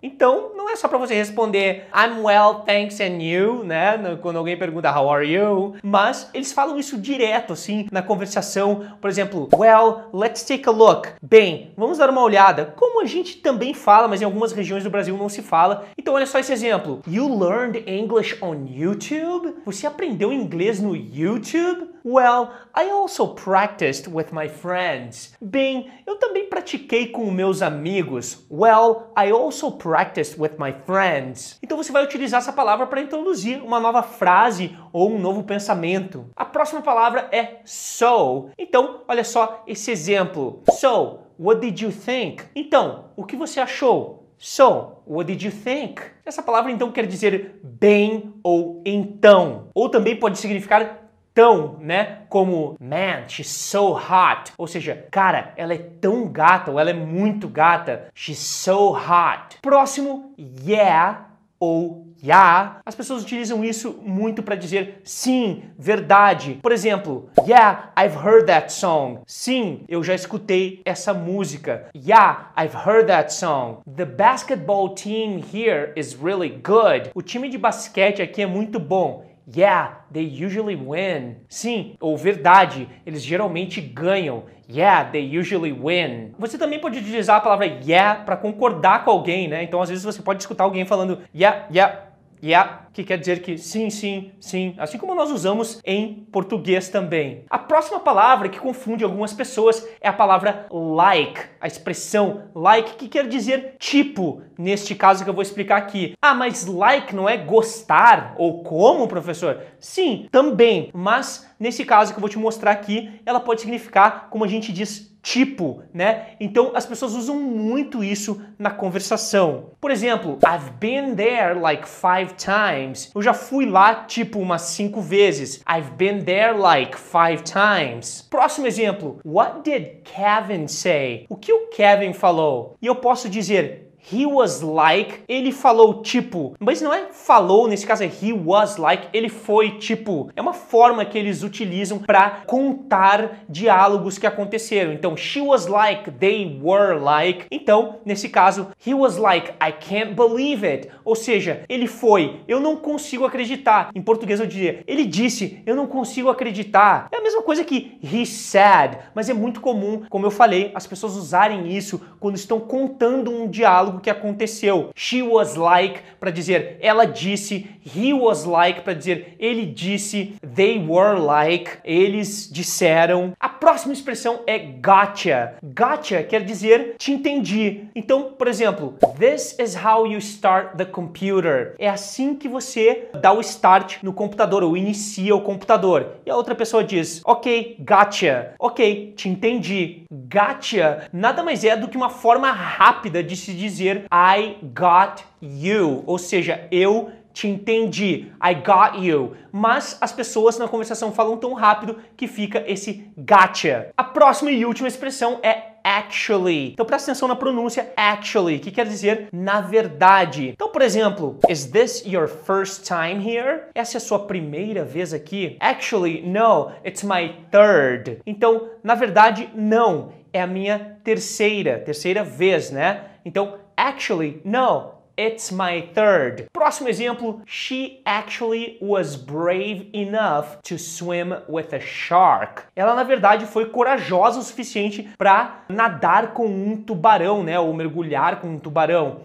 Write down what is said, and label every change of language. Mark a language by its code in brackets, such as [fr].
[pt] Então, não é só para você responder [en] I'm well, thanks, and you, [pt] né? Quando alguém pergunta [en] how are you? [pt] Mas eles falam isso direto, assim, na conversação. Por exemplo, [en] well, let's take a look. [pt] Bem, vamos dar uma olhada. Como a gente também fala, mas em algumas regiões do Brasil não se fala. Então, olha só esse exemplo. [en] You learned English on YouTube? [pt] Você aprendeu inglês no YouTube? [en] Well, I also practiced with my friends. [pt] Bem, eu também pratiquei com meus amigos. [en] Well, I also practiced with my friends. [pt] Então você vai utilizar essa palavra para introduzir uma nova frase ou um novo pensamento. A próxima palavra é so. Então, olha só esse exemplo. [en] So, what did you think? [pt] Então, o que você achou? [en] So, what did you think? [pt] Essa palavra então quer dizer bem ou então. Ou também pode significar tão, né? Como [en] man, she's so hot. [pt] Ou seja, cara, ela é tão gata, ou ela é muito gata. [en] She's so hot. Próximo, yeah ou yeah. [pt] As pessoas utilizam isso muito para dizer sim, verdade. Por exemplo, [en] yeah, I've heard that song. [pt] Sim, eu já escutei essa música. [en] Yeah, I've heard that song. The basketball team here is really good. [pt] O time de basquete aqui é muito bom. [en] Yeah, they usually win. [pt] Sim, ou verdade, eles geralmente ganham. [en] Yeah, they usually win. [pt] Você também pode utilizar a palavra yeah para concordar com alguém, né? Então, às vezes, você pode escutar alguém falando yeah, yeah, yeah, que quer dizer que sim, sim, sim. Assim como nós usamos em português também. A próxima palavra que confunde algumas pessoas é a palavra like. A expressão like, que quer dizer tipo, neste caso que eu vou explicar aqui. Ah, mas like não é gostar ou como, professor? Sim, também. Mas nesse caso que eu vou te mostrar aqui, ela pode significar, como a gente diz, tipo, né? Então as pessoas usam muito isso na conversação. Por exemplo, [en] I've been there like 5 times. [pt] Eu já fui lá, tipo, umas 5 vezes. [en] I've been there, like, 5 times. [pt] Próximo exemplo. [en] What did Kevin say? [pt] O que o Kevin falou? E eu posso dizer, [en] he was like, [pt] ele falou, tipo. Mas não é falou, nesse caso é he was like, ele foi, tipo. É uma forma que eles utilizam para contar diálogos que aconteceram. Então, she was like, they were like. Então, nesse caso, [en] he was like, I can't believe it. [pt] Ou seja, ele foi, eu não consigo acreditar. Em português eu diria, ele disse, eu não consigo acreditar. É a mesma coisa que he said, mas é muito comum, como eu falei, as pessoas usarem isso quando estão contando um diálogo. Algo que aconteceu. She was like para dizer ela disse, he was like para dizer ele disse, they were like, eles disseram. A próxima expressão é gotcha. Gotcha quer dizer te entendi. Então, por exemplo, [en] this is how you start the computer. [pt] É assim que você dá o start no computador ou inicia o computador. E a outra pessoa diz, ok, gotcha. Ok, te entendi. Gotcha nada mais é do que uma forma rápida de se dizer I got you, ou seja, eu te entendi, I got you. Mas as pessoas na conversação falam tão rápido que fica esse gotcha. A próxima e última expressão é actually. Então presta atenção na pronúncia actually, que quer dizer na verdade. Então, por exemplo, [en] is this your first time here? [pt] Essa é a sua primeira vez aqui? [en] Actually, no, it's my third. [pt] Então, na verdade, não, é a minha terceira vez, né? Então, [en] actually, no, it's my third. [pt] Próximo exemplo, [en] she actually was brave enough to swim with a shark. [pt] Ela, na verdade, foi corajosa o suficiente para nadar com um tubarão, né? Ou mergulhar com um tubarão.